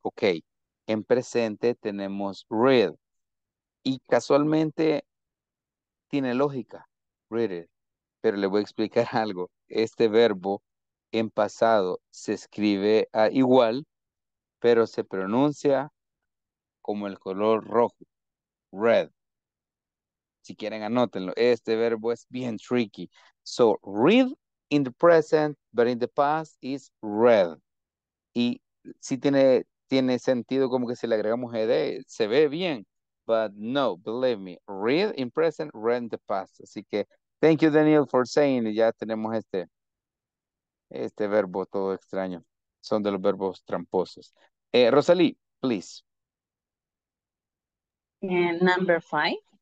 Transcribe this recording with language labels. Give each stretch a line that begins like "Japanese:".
Spanish: Okay, en presente tenemos read. Y casualmente tiene lógica, read it. Pero le voy a explicar algo. Este verbo en pasado se escribe igual, pero se pronuncia como el color rojo, red. Si quieren, anótenlo. Este verbo es bien tricky.
English: So, read in the present, but in the past is read.
Spanish: Y si tiene sentido como que si le agregamos ed, se ve bien.
English: But no, believe me, read in present, read in the past.
Spanish: Así que,
English: thank you, Daniel, for saying it.
Spanish: Ya tenemos este verbo todo extraño. Son de los verbos tramposos. Rosalie, please.
English: And number five.